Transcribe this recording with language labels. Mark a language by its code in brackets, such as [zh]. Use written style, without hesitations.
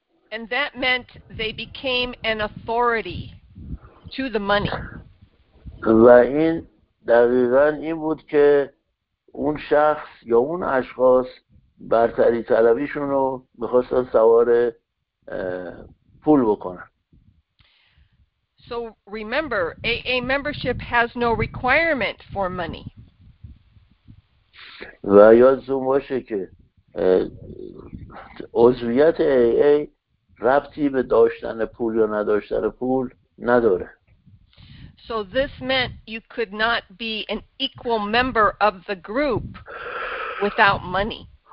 [en] And that meant they became an authority to the money. [fa] و این دقیقا این بود که اون شخص یا اون اشخاص برتری طلبیشون رو میخواستن سوار پول بکنن. [en] So remember, AA membership has no requirement for money. [fa] و یادتون باشه که عضویت AA ربطی به داشتن پول یا نداشتن پول نداره. [en] So this meant you could not be an equal member of the group without money.